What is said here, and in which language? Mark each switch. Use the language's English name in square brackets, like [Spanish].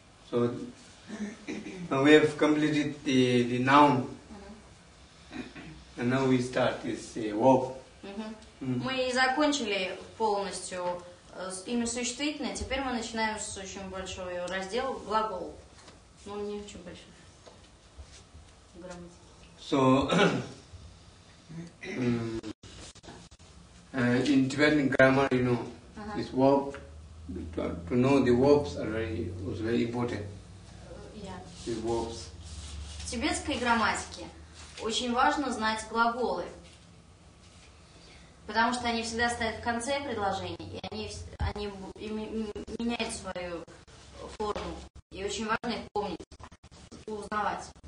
[English] So now we have completed the noun. And now we start this verb. [Russian] Мы и закончили полностью с имя существительное. Теперь мы начинаем с очень большого раздела глагол. Ну, не очень большой. [English] So, in Tibetan grammar, you know, this verb, to know the verbs was very important. Yeah. The verbs. [Russian] В тибетской грамматике очень важно знать глаголы, потому что они всегда стоят в конце предложений, и они меняют свою форму, и очень важно их помнить, узнавать.